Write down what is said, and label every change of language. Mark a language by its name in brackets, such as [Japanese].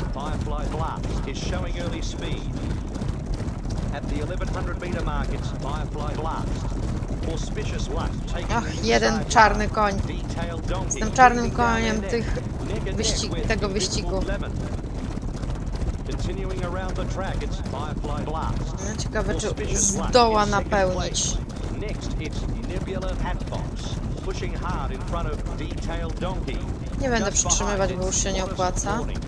[English] Firefly Blast is showing early speed. At the 1100 meter mark, it's Firefly Blast. Auspicious Luck taking the lead. [Polish] Jeden czarny koń. Jestem czarnym koniem tego wyścigu. [English] Continuing around the track, it's Firefly Blast. [Polish] Ciekawe, czy zdoła napełnić. [English] Next, it's Nebula Hatbox. Pushing hard in front of Detailed Donkey. [Polish] Nie będę przytrzymywać, bo już się nie opłaca.